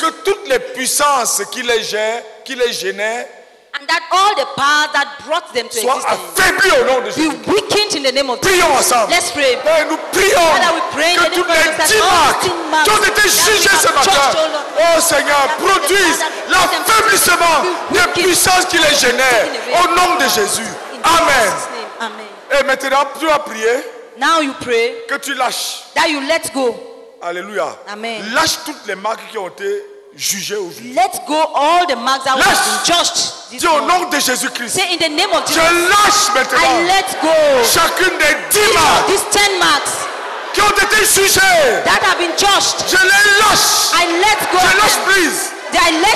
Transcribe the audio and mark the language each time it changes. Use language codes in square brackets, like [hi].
[fr] Et que toutes les puissances qui les gênent, [en] and that all the power that brought them to existence be weakened in the name of [fr] prions [en] Jesus. [fr] Ensemble. [en] Let's pray. [fr] Père, nous prions [en] Father, we pray [fr] que toutes les 10 marques qui ont été jugées ce matin, oh Seigneur, produisent l'affaiblissement des puissances qui les gênent au nom de Jésus. [en] Amen. Amen. [fr] Et maintenant, tu vas prier. [en] Now you pray [fr] que tu lâches. [en] That you let go. [fr] Alléluia. [en] Amen. [fr] Lâche toutes les marques qui ont été jugées aujourd'hui. [en] Let go all the marks that have been judged. [fr] Dis au nom de Jésus-Christ. [en] Say in the name of Jesus. [fr] Je lâche maintenant. [en] I let go. [fr] Chacune des 10 marques. [en] These 10 marks [fr] qui ont été jugées. [en] That have been judged. [fr] Je les lâche. [en] I let go. [fr] Je lâche prise. [en] I let